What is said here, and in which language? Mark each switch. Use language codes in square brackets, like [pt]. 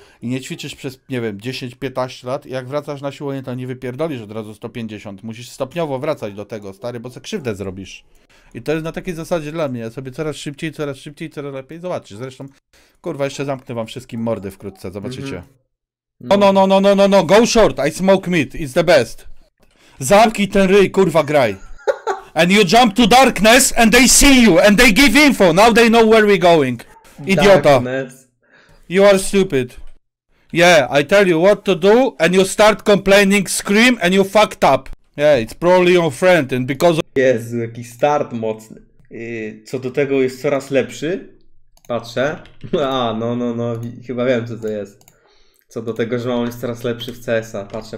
[pl] I nie ćwiczysz przez, nie wiem, 10-15 lat. I jak wracasz na siłownię, to nie wypierdolisz od razu 150. Musisz stopniowo wracać do tego, stary, bo sobie krzywdę zrobisz. I to jest na takiej zasadzie dla mnie. Ja sobie coraz szybciej, coraz lepiej. Zobaczysz, zresztą, kurwa, jeszcze zamknę wam wszystkim mordy wkrótce, zobaczycie. Mm-hmm. [en] No, go short, I smoke meat, it's the best. [pl] Zamknij ten ryj, kurwa, graj. [en] And you jump to darkness and they see you and they give info. Now they know where we're going. Idiota. You are stupid. Yeah, I tell you what to do and you start complaining, scream and you fucked up. Yeah, it's probably your friend and because... [pl] Jezu, jaki start mocny. Co do tego jest coraz lepszy? Patrzę. A, no, chyba wiem, co to jest. Co do tego, że on jest coraz lepszy w CS-a.